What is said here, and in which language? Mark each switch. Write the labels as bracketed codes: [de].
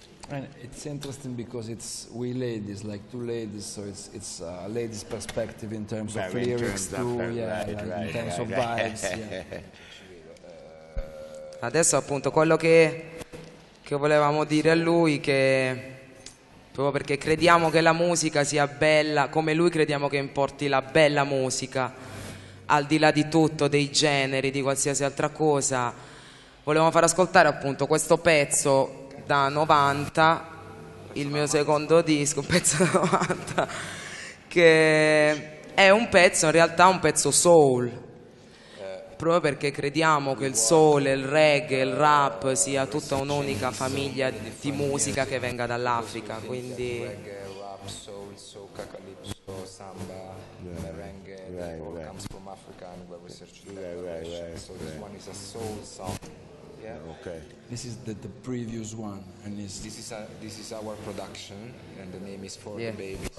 [en] And it's interesting because it's we ladies, like two ladies, so it's a ladies' perspective in terms of lyrics too, in terms of vibes. [it] Adesso appunto quello che volevamo dire a lui, che proprio perché crediamo che la musica sia bella, come lui crediamo che importi la bella musica, al di là di tutto, dei generi, di qualsiasi altra cosa, volevamo far ascoltare appunto questo pezzo da 90, il mio secondo disco, un pezzo da 90, che è un pezzo, in realtà un pezzo soul, proprio perché crediamo che il soul, il reggae, il rap sia tutta un'unica famiglia di musica che venga dall'Africa, quindi... [en] Reggae, rap, soul, soca, calypso, samba, merengue, comes from Africa and we're researching that. So this one is a soul song. Yeah. Okay. This is the previous one, and this is our production, and the name is For the Baby.